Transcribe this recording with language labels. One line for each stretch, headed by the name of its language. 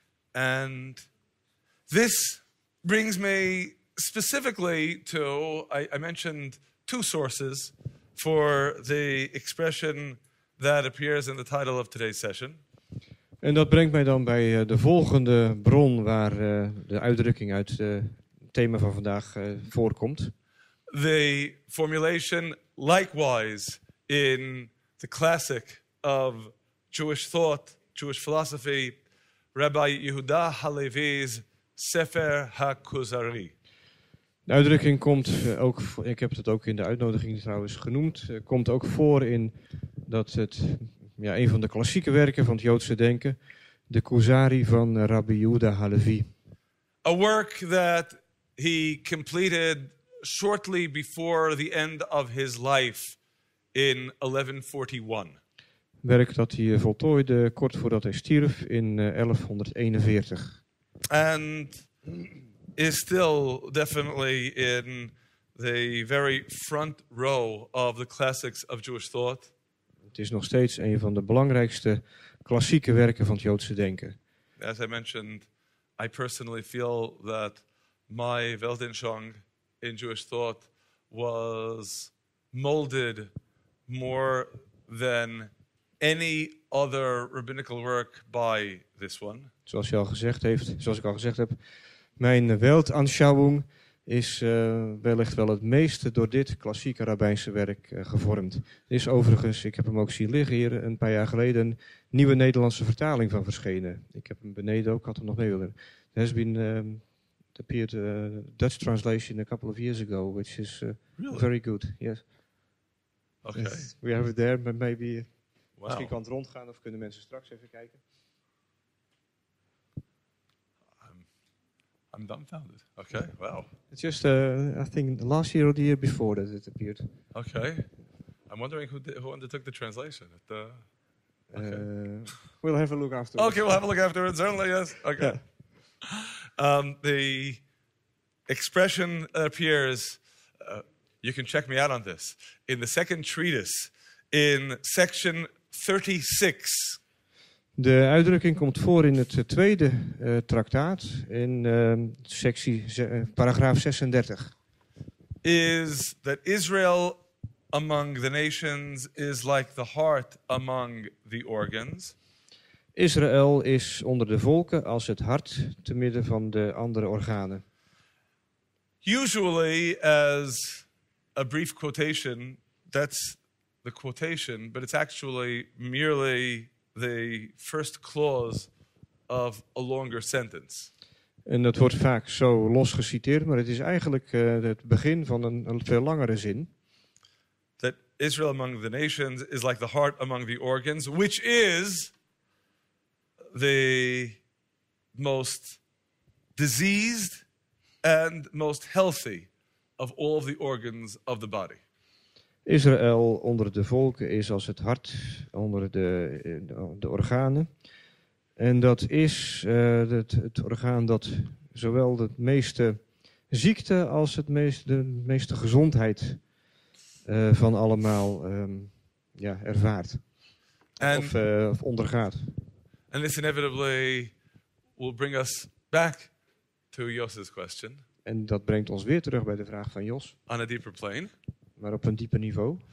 English: And this brings me specifically to, I mentioned two sources for the expression that appears in the title of today's session.
Dutch: En dat brengt mij dan bij de volgende bron waar de uitdrukking uit het thema van vandaag voorkomt.
English: The formulation likewise in the classic of Jewish thought, Jewish philosophy, Rabbi Yehuda Halevi's Sefer HaKuzari.
Dutch: De uitdrukking komt ook, ik heb het ook in de uitnodiging trouwens genoemd, komt ook voor in dat het een van de klassieke werken van het Joodse denken, de Kuzari van Rabbi Yehuda Halevi.
English: A work that he completed shortly before the end of his life in 1141.
Dutch: Werk dat hij voltooide kort voordat hij stierf in 1141.
English: And is still definitely in the very front row of the classics of Jewish thought.
Dutch: Het is nog steeds een van de belangrijkste klassieke werken van het Joodse denken.
English: As I mentioned, I personally feel that my Weltanschauung in Jewish thought was molded more than any other rabbinical work by this one.
Dutch: Zoals je al gezegd heeft, zoals ik al gezegd heb, mijn Weltanschauung is wellicht wel het meeste door dit klassieke rabbijnse werk gevormd. Er is overigens, ik heb hem ook zien liggen hier een paar jaar geleden, een nieuwe Nederlandse vertaling van verschenen. Ik heb hem beneden ook, had hem nog mee willen.
English: There has been appeared a Dutch translation a couple of years ago, which is really? Very good. Yes. Okay. Yes. We have it there, but maybe wow.
Dutch: Misschien kan het rondgaan of kunnen mensen straks even kijken.
English: I'm dumbfounded. Okay, wow. It's just, I think, the last year or the year before that it appeared. Okay. I'm wondering who undertook the translation. Okay. We'll have a look afterwards. Okay, we'll have a look afterwards. Certainly, yes. Okay. Yeah. The expression that appears, you can check me out on this, in the second treatise, in section 36...
Dutch: De uitdrukking komt voor in het tweede traktaat, in sectie, paragraaf 36.
English: Is that Israel among the nations is like the heart among the organs.
Dutch: Israël is onder de volken als het hart te midden van de andere organen.
English: Usually as a brief quotation, that's the quotation, but it's actually merely the first clause of a longer sentence.
Dutch: En dat wordt vaak zo los geciteerd, maar het is eigenlijk het begin van een veel langere zin.
English: That Israel among the nations is like the heart among the organs, which is the most diseased and most healthy of all of the organs of the body.
Dutch: Israël onder de volken is als het hart onder de organen. En dat is het orgaan dat zowel de meeste ziekte als het de meeste gezondheid van allemaal ervaart. Of ondergaat.
English: And this inevitably will bring us back to Jos's question.
Dutch: En dat brengt ons weer terug bij de vraag van Jos.
English: On a deeper plane.
Dutch: Maar op een dieper niveau.